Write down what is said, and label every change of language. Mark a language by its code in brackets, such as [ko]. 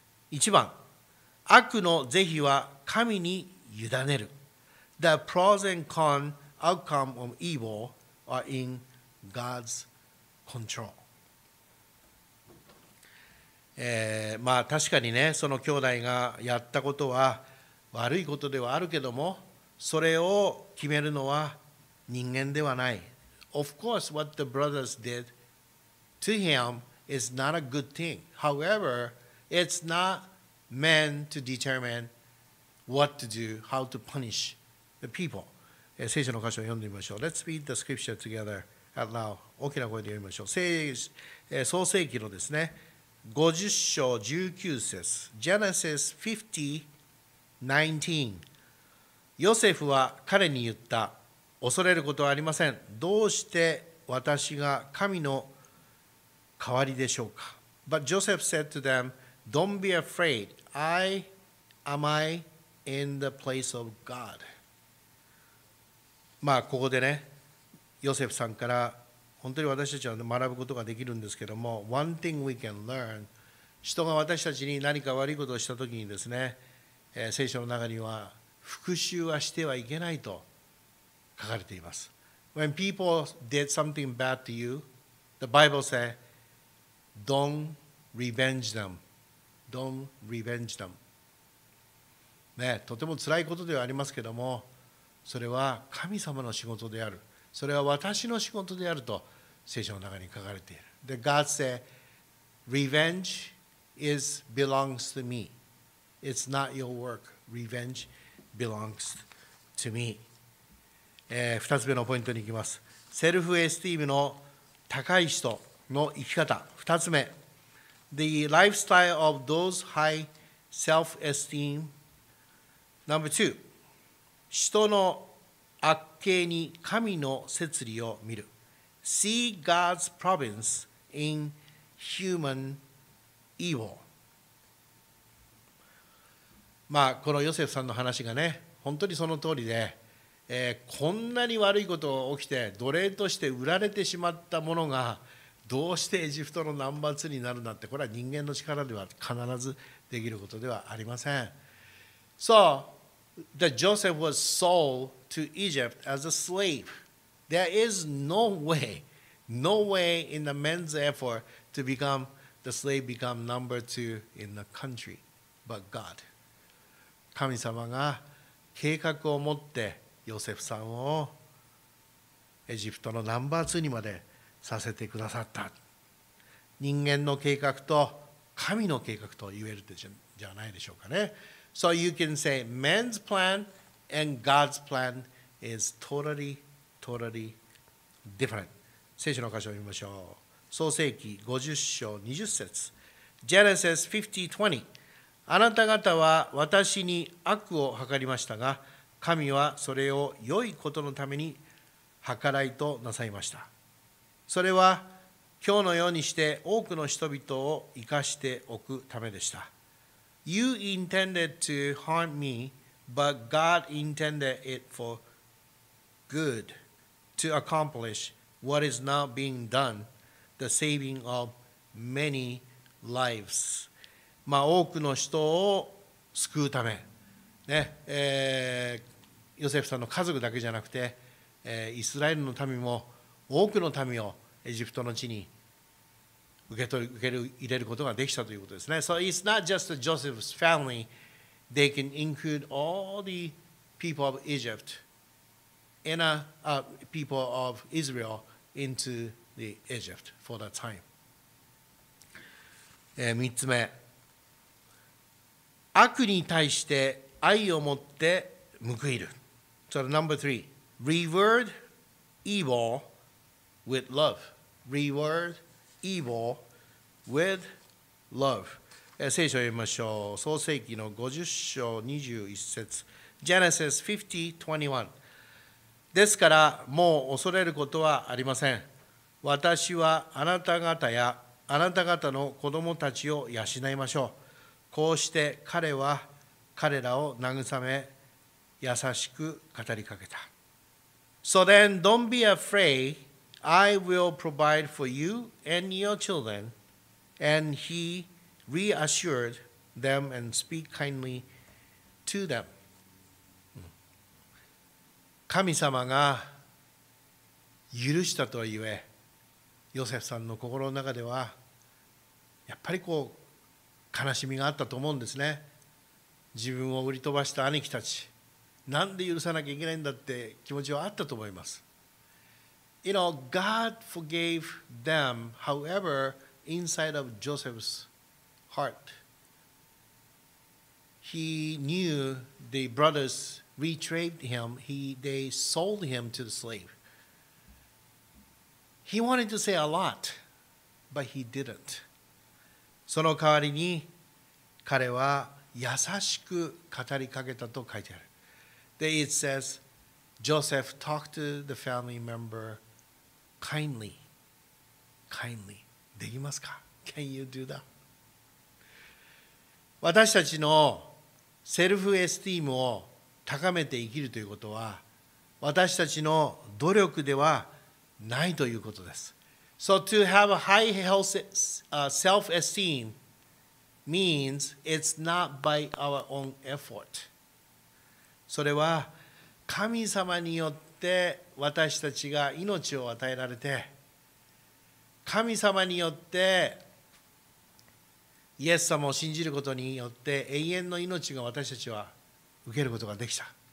[ja] 1番、悪の是非は神に委ねる。 [en] The pros and cons outcome of evil are in God's control. [ja] まあ確かにね、その兄弟がやったことは悪いことではあるけども、それを決めるのは人間ではない。 [en] Of course, what the brothers did to him is not a good thing. However, it's not men to determine what to do, how to punish the people. [ja] 聖書の箇所を読んでみましょう。 [en] Let's read the scripture together out loud. [ja] 大きな声で読みましょう。創世記のですね、50章19節。 [en] Genesis 50:19。 [ja] ヨセフは彼に言った。恐れることはありません。どうして私が神の代わりでしょうか。 [en] But Joseph said to them, Don't be afraid. Am I in the place of God? [ja] まあ、ここでね、ヨセフさんから本当に私たちは学ぶことができるんですけども、 [en] One thing we can learn、 [ja] 人が私たちに何か悪いことをしたときにですね、聖書の中には復讐はしてはいけないと書かれています。 [en] When people did something bad to you, the Bible says, Don't revenge them. Don't revenge them. [ja] ね、とても辛いことではありますけども、それは神様の仕事である、それは私の仕事であると聖書の中に書かれている。 [en] The God said Revenge is belongs to me. It's not your work. Revenge belongs to me. [ja] 2つ目のポイントに行きます。セルフエスティームの高い人の生き方。 2つ目、 [en] The lifestyle of those high self-esteem. Number 2、 [ja] 人の悪形に神の摂理を見る。 [en] See God's providence in human evil。 [ja] まあこのヨセフさんの話がね、本当にその通りで、こんなに悪いことが起きて奴隷として売られてしまったものがどうしてエジプトのナンバー2になるなんて、これは人間の力では必ずできることではありません。 [en] SoThat Joseph was sold to Egypt as a slave. There is no way in the man's effort to become the slave, become number two in the country, but God. [ja] 神様が計画を持ってヨセフさんをエジプトのナンバー2にまでさせてくださった。人間の計画と神の計画と言えるじゃないでしょうかね。 [en] So you can say man's plan and God's plan is totally, totally different. [ja] 聖書の箇所を見ましょう。創世記50章20節。 [en] Genesis 50:20。 [ja] あなた方は私に悪を計りましたが、神はそれを良いことのために計らいとなさいました。それは今日のようにして多くの人々を生かしておくためでした。 [en] You intended to harm me, but God intended it for good, to accomplish what is now being done, the saving of many lives. [ja] まあ多くの人を救うため、ね、ヨセフさんの家族だけじゃなくて、イスラエルの民も多くの民をエジプトの地に受け入れることができたということですね。 [en] So it's not just Joseph's family. They can include all the people of Egypt and people of Israel into the Egypt for that time. [ja] 3つ目、悪に対して愛を持って報いる。 [en] So number three, reward evil with love. Reward evil with love. [ja] 聖書を読みましょう。創世記の50章21節。 [en] Genesis 50:21。 [ja] ですからもう恐れることはありません。私はあなた方やあなた方の子供たちを養いましょう。こうして彼は彼らを慰め、優しく語りかけた。 [en] So then, don't be afraid. I will provide for you and your children. And he reassured them and speak kindly to them. [ja] 神様が許したとはいえ、ヨセフさんの心の中ではやっぱりこう悲しみがあったと思うんですね。自分を売り飛ばした兄貴たち、なんで許さなきゃいけないんだって気持ちはあったと思います。 [en] You know, God forgave them. However, inside of Joseph's heart, he knew the brothers betrayed him. They sold him to the slave. He wanted to say a lot, but he didn't. [ja] その代わりに彼は優しく語りかけたと書いてある。 [en] Then it says, Joseph talked to the family member kindly. Kindly. [ja] できますか? [en] Can you do that? [ja] 私たちのセルフエスティームを高めて生きるということは、私たちの努力ではないということです。 [en] So to have a high health, self-esteem means it's not by our own effort. [ja] それは神様によって私たちが命を与えられて、神様によってイエス様を信じることによって永遠の命が私たちは受けることができた。